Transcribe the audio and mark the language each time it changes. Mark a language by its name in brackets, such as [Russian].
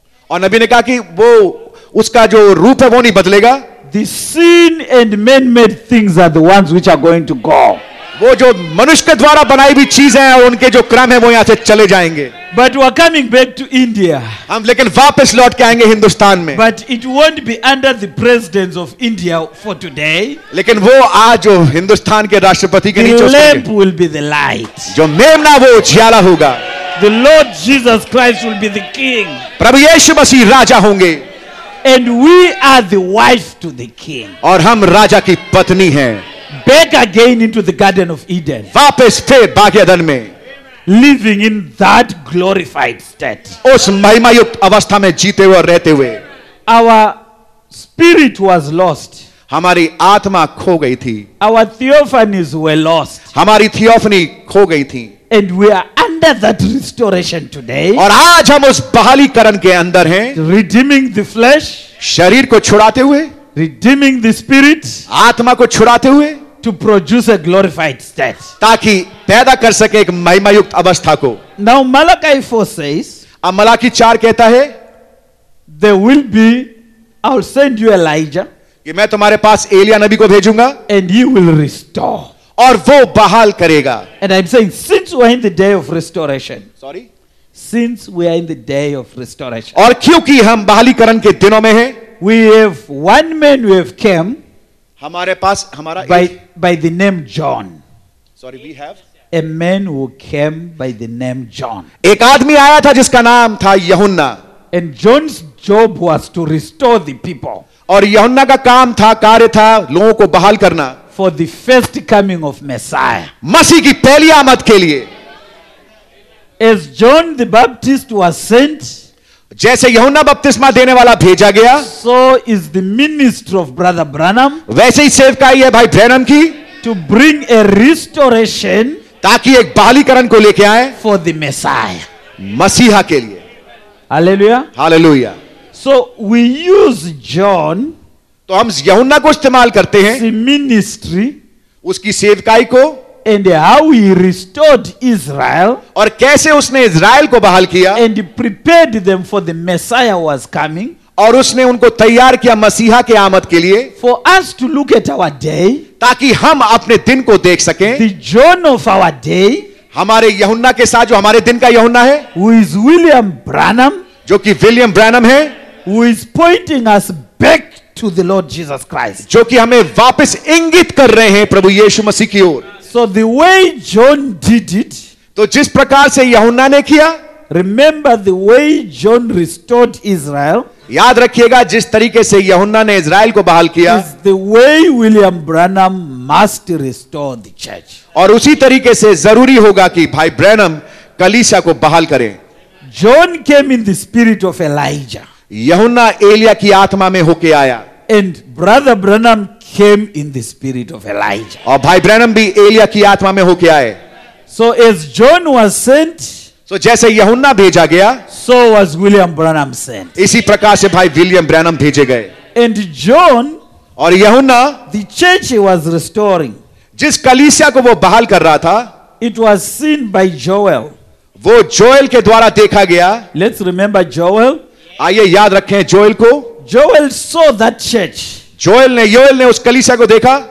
[Hindi] और नबी ने कहा कि वो उसका जो रूप है वो नहीं बदलेगा. [English] The sin and man-made things are the ones which are going to go. [Hindi] वो जो मनुष्य के द्वारा बनाई हुई चीजें हैं उनके जो क्रम है वो यहां से चले जाएंगे. [English] But we are coming back to India. [Hindi] हम लेकिन वापस लौट के आएंगे हिंदुस्तान में. [English] But it won't be under the presidency of India for today. [Hindi] लेकिन वो आज जो हिंदुस्तान के राष्ट्रपति के नीचे [English] lamp will be the light. [Hindi] जो मेमना वो उजियाला होगा. [English] The Lord Jesus Christ will be the king. [Hindi] प्रभु यीशु मसीह राजा होंगे. [English] And we are the wife to the king. [Hindi] और हम राजा की पत्नी हैं. [English] Back again into the Garden of Eden. [Hindi] वापस फिर बागियादन में. [English] Living in that glorified state. [Hindi] उस महिमायुक्त अवस्था में जीते हुए रहते हुए. [English] Our spirit was lost. [Hindi] हमारी आत्मा खो गई थी. [English] Our theophanies were lost. [Hindi] हमारी थियोफनी खो गई थी. [English] And we are under that restoration today. [Hindi] और आज हम उस बहालीकरण के अंदर हैं. [English] Redeeming the flesh. [Hindi] शरीर को छुड़ाते हुए. [English] Redeeming the spirit. [Hindi] आत्मा को छुड़ाते हुए. [English] To produce a glorified state. [Hindi] ताकि पैदा कर सके एक महिमायुक्त अवस्था को. [English] Now Malachi 4 says. [Hindi] अब मलाकी 4 कहता है. [English] There will be. I'll send you Elijah. [Hindi] कि मैं तुम्हारे पास एलिया नबी को भेजूंगा. [English] And he will restore. [Hindi] और वो बहाल करेगा. [English] And I'm saying since we are in the day of restoration. Sorry. Since we are in the day of restoration. [Hindi] और क्योंकि हम बहालीकरण के दिनों में हैं. [English] We have one man who have come. [Hindi] हमारे पास हमारा [English] by the name John. Sorry, we have a man who came by the name John. [Hindi] एक आदमी आया था जिसका नाम था यहुन्ना. [English] And John's job was to restore the people. [Hindi] और यहुन्ना का काम था कार्य था लोगों को बहाल करना. [English] For the first coming of Messiah. [Hindi] मसीह की पहली आमद के लिए. [English] As John the Baptist was sent. [Hindi] जैसे यहोन्ना बपतिस्मा देने वाला भेजा गया. [English] So is the minister of Brother Branham. [Hindi] वैसे ही सेवकाई है भाई ब्रैनम की. [English] To bring a restoration. [Hindi] ताकि एक बहालीकरण को लेके आए. [English] For the Messiah. [Hindi] मसीहा के लिए. Hallelujah. Hallelujah. [English] So we use John. [Hindi] तो हम यहोन्ना को इस्तेमाल करते हैं. [English] The ministry. [Hindi] उसकी सेवकाई को. [English] And how he restored Israel. [Hindi] और कैसे उसने इज़राइल को बहाल किया. [English] And he prepared them for the Messiah was coming. [Hindi] और उसने उनको तैयार किया मसीहा के आमद के लिए. [English] For us to look at our day. [Hindi] ताकि हम अपने दिन को देख सकें. [English] The John of our day. [Hindi] हमारे यहुन्ना के साथ जो हमारे दिन का यहुन्ना है. [English] Who is William Branham. [Hindi] जो कि विलियम ब्रैनम है. [English] Who is pointing us back to the Lord Jesus Christ. [Hindi] जो कि हमें वापस इंगित कर रहे हैं प्रभु यीशु मसीह की ओर. [English] So the way John did it, [Hindi] तो जिस प्रकार से यहुन्ना ने किया, [English] Remember the way John restored Israel. [Hindi] याद रखिएगा जिस तरीके से यहुन्ना ने इज़राइल को बहाल किया. [English] Is the way William Branham must restore the church. [Hindi] और उसी तरीके से जरूरी होगा कि भाई ब्रैनम कलीसिया को बहाल करें. [English] John came in the spirit of Elijah. [Hindi] यहुन्ना एलिया की आत्मा में होके आया. [English] And brother Branham came in the spirit of Elijah. [Hindi] और भाई ब्रैनम भी एलिया की आत्मा में होके आए. [English] So as John was sent. [Hindi] So, जैसे यहुन्ना भेजा गया, [English] so was William Branham sent. [Hindi] इसी प्रकार से भाई विलियम ब्रैनम भेजे गए. [English] And John, [Hindi] और यहुन्ना, [English] the church was restoring. [Hindi] जिस कलीसिया को वो बहाल कर रहा था, [English] it was seen by Joel. [Hindi] वो जोएल के द्वारा देखा गया. [English] Let's remember Joel. [Hindi] आइए याद रखें जोएल को. [English] Joel saw that church. [Hindi] Joel ने उस कलीसिया को देखा.